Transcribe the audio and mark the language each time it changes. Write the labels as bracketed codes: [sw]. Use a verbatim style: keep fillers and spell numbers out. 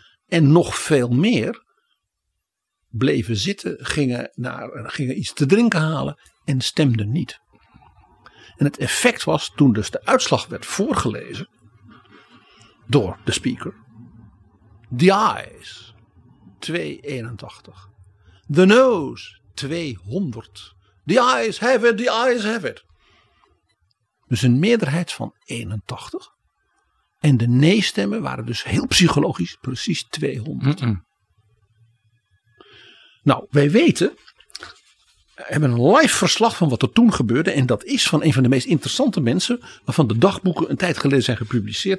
[nl] En nog veel meer bleven zitten, gingen, naar, gingen iets te drinken halen en stemden niet. En het effect was toen dus de uitslag werd voorgelezen door de speaker. [en] The ayes [nl] tweehonderdeenentachtig. [en] The noes [nl] tweehonderd. [en] The eyes have it, the eyes have it. [nl] Dus een meerderheid van eenentachtig. En de nee-stemmen waren dus heel psychologisch precies tweehonderd. Mm-mm. Nou, wij weten, we hebben een live verslag van wat er toen gebeurde. En dat is van een van de meest interessante mensen, waarvan de dagboeken een tijd geleden zijn gepubliceerd.